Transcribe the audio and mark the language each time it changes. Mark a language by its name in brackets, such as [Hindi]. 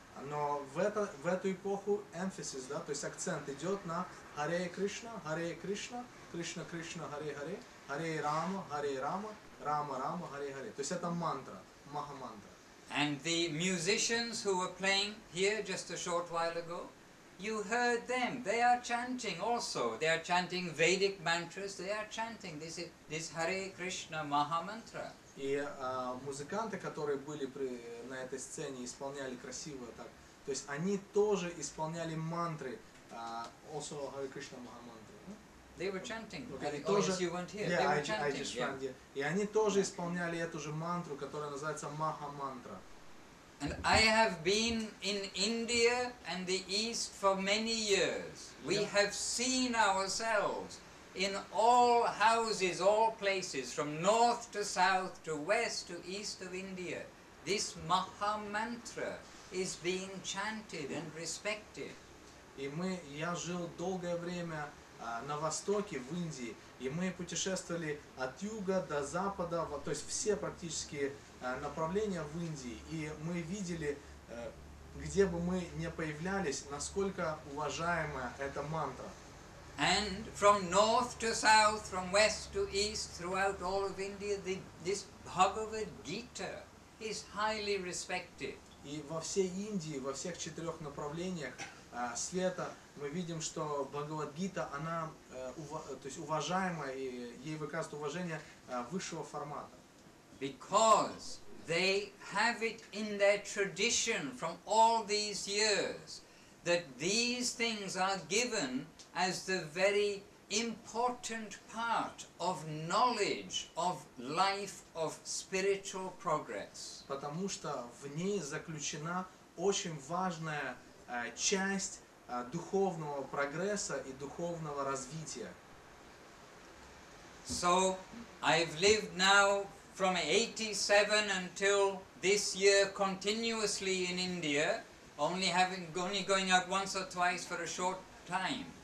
[Russian] Но в эту эпоху emphasis, да, то есть акцент идет на [Sanskrit] Харе Кришна, Кришна Кришна, Харе Харе, [Russian] Харе Рама, Рама Рама, Харе Харе. То есть это мантра, Маха-мантра. [English] And the musicians who were playing here just a short while ago, you heard them, they are chanting also, they are chanting Vedic mantras, they are chanting this Харе Кришна Маха-мантра. [Russian] И музыканты, которые были на этой сцене, исполняли красиво так. То есть они тоже исполняли мантры. [English] Also Hare Krishna Maha mantra. They were chanting. Okay. Тоже, you weren't here. Yeah, they were chanting. I just found, yeah. [Russian] И они тоже исполняли эту же мантру, которая называется Maha mantra. [English] And I have been in India and the East for many years. We have seen ourselves in all houses, all places, from north to south to west to east of India, this Maha mantra is being chanted and respected. [Russian] И я жил долгое время на востоке, в Индии, и мы путешествовали от юга до запада, то есть все практически направления в Индии, и мы видели, где бы мы ни появлялись, насколько уважаема эта мантра. [English] And from north to south, from west to east, throughout all of India, this Bhagavad Gita is highly respected. [Russian] И во всей Индии, во всех четырех направлениях света, мы видим, что Бхагавад Гита, она уважаема, и ей выказывают уважение высшего формата. [English] Because They have it in their tradition from all these years that these things are given as the very important part of knowledge, of life, of spiritual progress. [Russian] Потому что в ней заключена очень важная часть духовного прогресса и духовного развития. [English] So, I've lived now from 87 until this year continuously in India, only going out once or twice for a short time.